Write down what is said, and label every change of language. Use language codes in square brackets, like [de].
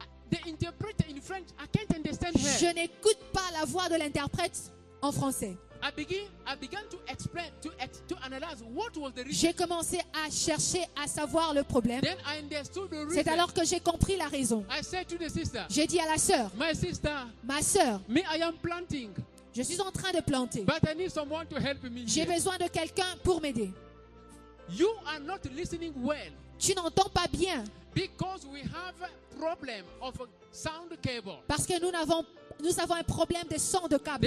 [en] the interpreter in French, I can't understand her. [fr] Je n'écoute pas la voix de l'interprète en français. [en] I began to explain to analyze what was the reason. [fr] J'ai commencé à chercher à savoir le problème. [en] Then I understood the reason. [fr] C'est alors que j'ai compris la raison. [en] I said to the sister, [fr] j'ai dit à la sœur, [en] my sister, [fr] ma sœur, [en] me I am planting. [fr] Je suis en train de planter. [en] But I need someone to help me. [fr] J'ai besoin de quelqu'un pour m'aider. [en] You are not listening well. [fr] Tu n'entends pas bien. [en] Because we have a problem of a sound cable. [fr] Parce que nous avons un problème de son de câble.